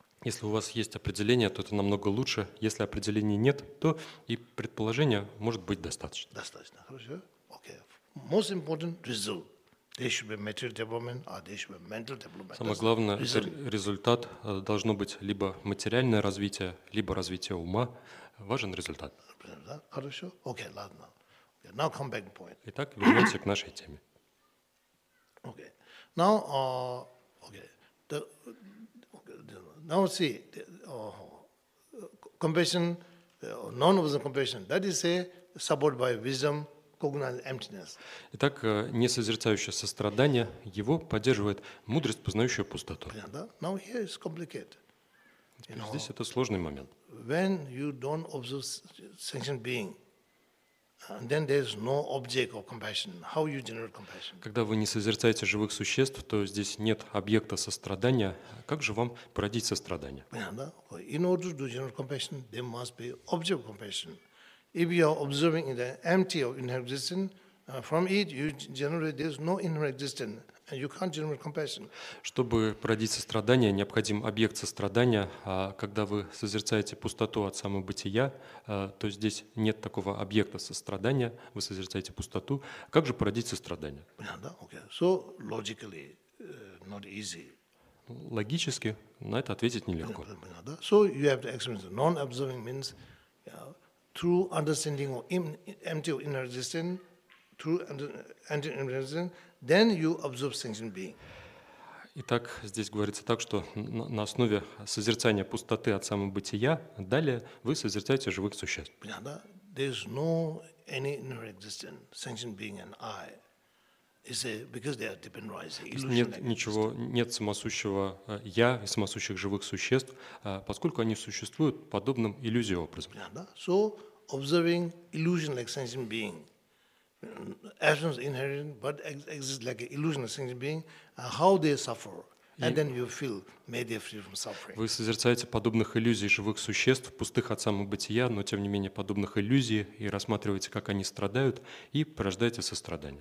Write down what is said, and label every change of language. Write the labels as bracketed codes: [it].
[ru] Если у вас есть определение, то это намного лучше. Если определений нет, то и предположения может быть достаточно. Достаточно, хорошо, окей. [en] Okay. Most important result. There should be material development, or there should be mental development. [ru] Самое главное, результат должно быть либо материальное развитие, либо развитие ума. Важен результат. Хорошо? Окей, ладно. [en] Now come back point. [ru] Итак, вернемся к нашей теме. [en] Okay. Now, okay. Now see, compassion, non-observant compassion, that is say, supported by wisdom, cognizant emptiness. [ru] Итак, несозерцающее сострадание, его поддерживает мудрость, познающая пустоту. [en] Now here is complicated. [ru] Здесь это сложный момент. [en] When you don't observe sentient being, then there's no object of compassion. How you generate compassion? [ru] Когда вы не созерцаете живых существ, то здесь нет объекта сострадания. Как же вам породить сострадание? [en] In order to generate compassion, there must be object of compassion. If you are observing the empty of inherent existence, from it you generate there's no inherent existence, and you can't generate compassion. [ru] Чтобы породить сострадание, необходим объект сострадания. А когда вы созерцаете пустоту от самобытия, то здесь нет такого объекта сострадания. Вы созерцаете пустоту. Как же породить сострадание? Понятно, [en] okay. So logically, not easy. [ru] Логически на это ответить нелегко. Понятно. [en] So you have to experience non-observing means. Through understanding of empty of inner existence, through inner existence, then you observe sentient being. [ru] Итак, здесь говорится так, что на основе созерцания пустоты от самобытия, далее вы созерцаете живых существ. Понятно, да? [en] There is no any inner existence, sentient being and I. Is it because they are deep and rising? [ru] Нет ничего, нет самосущего я и самосущих живых существ, поскольку они существуют подобным иллюзии образом. Понятно, да? [en] So, observing illusion like sentient being, absence inherent, but exists like an illusion like sentient being, how they suffer, and then you feel made free from suffering. [ru] Вы созерцаете подобных иллюзий живых существ, пустых от самобытия, но тем не менее подобных иллюзий, и рассматриваете, как они страдают, и порождаете сострадание.